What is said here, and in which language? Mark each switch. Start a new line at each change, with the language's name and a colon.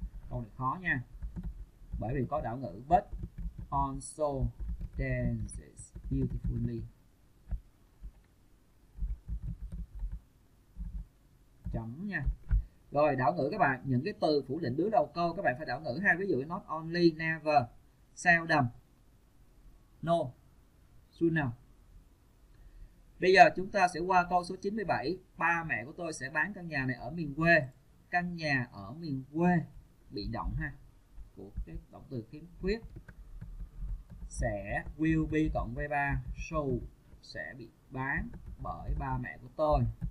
Vietnamese: Câu này khó nha, bởi vì có đảo ngữ.
English: But also dances beautifully.
Vietnamese: Chấm nha. Rồi đảo ngữ các bạn, những cái từ phủ định đứng đầu câu các bạn phải đảo ngữ ha. Ví dụ
English: not only, never, seldom, no, soon now.
Vietnamese: Bây giờ chúng ta sẽ qua câu số 97. Ba mẹ của tôi sẽ bán căn nhà này ở miền quê. Căn nhà ở miền quê bị động ha, của cái động từ khiếm khuyết. Sẽ
English: will be
Vietnamese: cộng với 3, sold, sẽ bị bán bởi ba mẹ của tôi.